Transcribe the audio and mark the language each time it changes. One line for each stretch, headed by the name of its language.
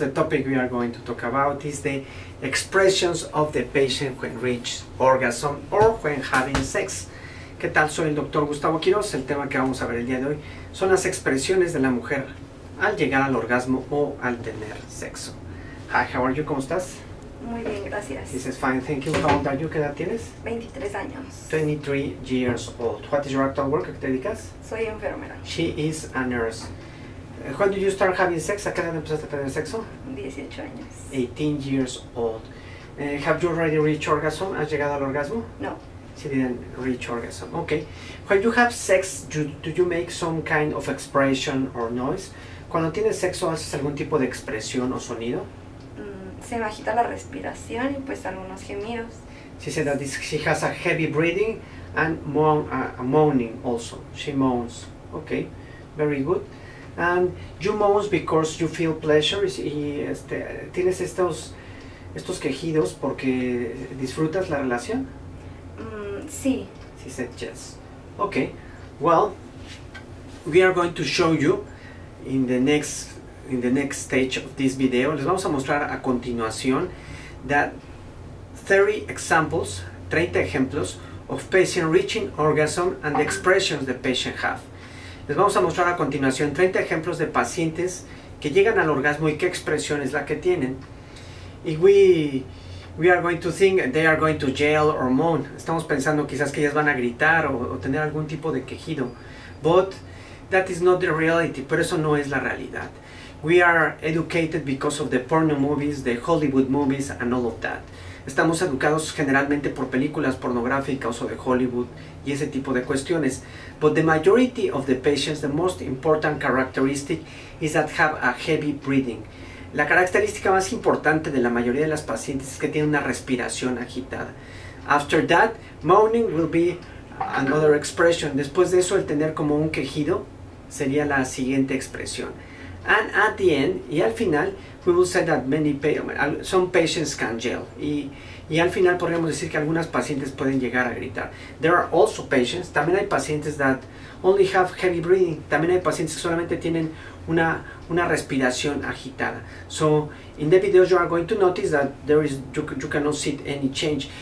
English: The topic we are going to talk about is the expressions of the patient when reached orgasm or when having sex.
Spanish: ¿Qué tal? Soy el Dr. Gustavo Quiroz. El tema que vamos a ver el día de hoy son las expresiones de la mujer al llegar al orgasmo o al tener sexo.
English: Hi, how are you?
Spanish: ¿Cómo estás? Muy bien, gracias.
English: This is fine, thank you. How old are you?
Spanish: ¿Qué edad tienes? 23 años.
English: 23 years old. What is your actual work?
Spanish: ¿A qué te dedicas? Soy enfermera.
English: She is a nurse. When did you start having sex?
Spanish: ¿A qué edad empezaste a tener sexo? 18 años.
English: 18 years old. Have you already reached orgasm?
Spanish: ¿Has llegado al orgasmo? No.
English: She didn't reach orgasm. Okay. When you have sex, do you make some kind of expression or noise?
Spanish: ¿Cuando tienes sexo, haces algún tipo de expresión o sonido? Se me agita la respiración y pues algunos gemidos.
English: She said that she has a heavy breathing and moaning also. She moans. Okay. Very good. And you moans because you feel pleasure,
Spanish: y tienes estos quejidos porque disfrutas la relación? Sí.
English: She said yes. Okay. Well, we are going to show you in the next stage of this video.
Spanish: Les vamos a mostrar a continuación
English: that 30 examples,
Spanish: 30 ejemplos
English: of patient reaching orgasm and the expressions the patient have.
Spanish: Les vamos a mostrar a continuación 30 ejemplos de pacientes que llegan al orgasmo y qué expresión es la que tienen.
English: Y we are going to think they are going to yell or moan.
Spanish: Estamos pensando quizás que ellas van a gritar o tener algún tipo de quejido.
English: But that is not the reality,
Spanish: pero eso no es la realidad.
English: We are educated because of the porno movies, the Hollywood movies and all of that.
Spanish: Estamos educados generalmente por películas pornográficas o de Hollywood y ese tipo de cuestiones.
English: But the majority of the patients, the most important characteristic is that have a heavy breathing.
Spanish: La característica más importante de la mayoría de las pacientes es que tienen una respiración agitada.
English: After that, moaning will be another expression.
Spanish: Después de eso, el tener como un quejido sería la siguiente expresión.
English: And at the end,
Spanish: y al final,
English: we will say that some patients can yell.
Spanish: Y al final podríamos decir que algunas pacientes pueden llegar a gritar.
English: There are also patients,
Spanish: también hay pacientes
English: that only have heavy breathing.
Spanish: También hay pacientes que solamente tienen una respiración agitada.
English: So, in the video you are going to notice that you cannot see any change.